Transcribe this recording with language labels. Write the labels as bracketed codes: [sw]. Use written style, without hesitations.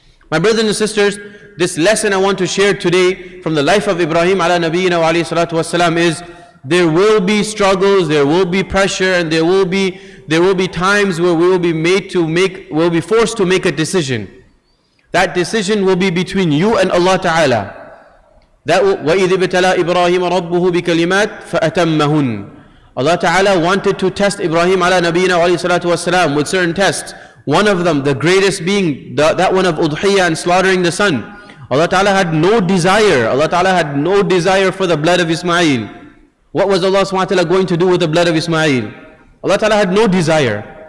[en] My brothers and sisters, this lesson I want to share today from the life of Ibrahim ala nabiyyina wa alayhi salatu wasalam is there will be struggles, there will be pressure, and there will be times where we will be forced to make a decision. That decision will be between you and Allah ta'ala. [ar] That وَإِذِ ابْتَلَى إِبْرَاهِيمَ رَبُّهُ بِكَلِمَاتٍ فَأَتَمَّهُنَّ. [en] Allah Ta'ala wanted to test Ibrahim ala nabiyyina wa alayhi salatu wasalam with certain tests. One of them, the greatest being that one of udhiyah and slaughtering the son. Allah Ta'ala had no desire for the blood of Ismail. What was Allah Subhanahu wa Ta'ala going to do with the blood of Ismail? Allah Ta'ala had no desire.